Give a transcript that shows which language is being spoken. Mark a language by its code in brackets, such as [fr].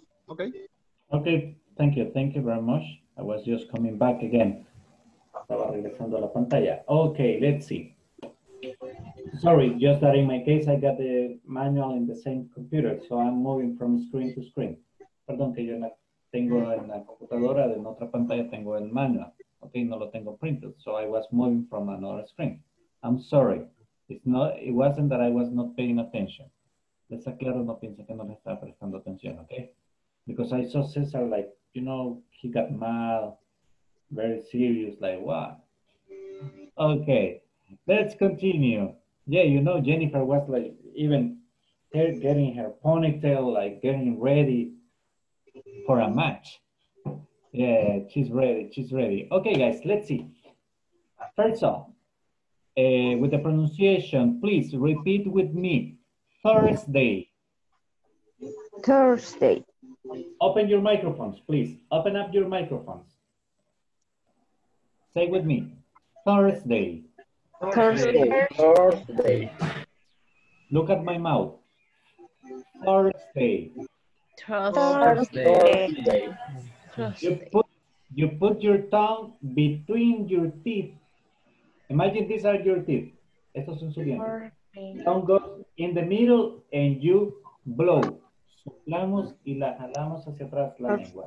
[en] Okay. Okay, thank you. Thank you very much. I was just coming back again. [es] Estaba regresando a la pantalla. [en] Okay, let's see. Sorry, just that in my case, I got the manual in the same computer, so I'm moving from screen to screen. [es] Perdón que yo no tengo en la computadora, en otra pantalla tengo el manual. [en] Okay, [es] no lo tengo [en] printed, so I was moving from another screen. I'm sorry. It wasn't that I was not paying attention. [es] Les aclaro, no piense que no le estaba prestando atención, okay? [en] Because I saw Cesar, like, you know, he got mad, very serious, like, what? Okay, let's continue. Yeah, you know, Jennifer was like, even getting her ponytail, like, getting ready for a match. Yeah, she's ready, she's ready. Okay, guys, let's see. First off, with the pronunciation, please repeat with me. Thursday. Thursday. Open your microphones, please. Open up your microphones. Say with me. Thursday. Thursday. Thursday. Thursday. Look at my mouth. Thursday. Thursday. You put your tongue between your teeth. Imagine these are your teeth. [es] Estos son sus dientes. [en] Tongue goes in the middle and you blow. [es] Soplamos y la jalamos hacia atrás la lengua.